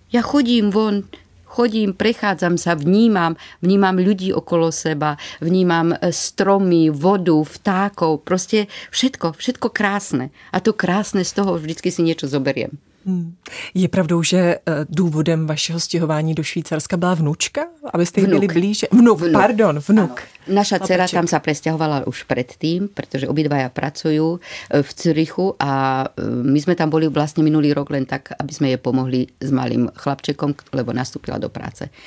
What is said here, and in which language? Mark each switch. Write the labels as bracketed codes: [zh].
[sk] Ja chodím von, chodím, prechádzam sa, vnímam ľudí okolo seba, vnímam stromy, vodu, vtákov, proste všetko, všetko krásne. A to krásne z toho vždycky si niečo zoberiem. [cs] Je pravdou, že důvodem vašeho stěhování do Švýcarska byla vnučka? Abyste jí byli blíže? Vnuk. Ano. [sk] Naša dcera tam sa presťahovala už predtým, pretože obidvaja pracujú v Cürichu a my sme tam boli vlastne minulý rok len tak, aby sme jej pomohli s malým chlapčekom, lebo nastúpila do práce.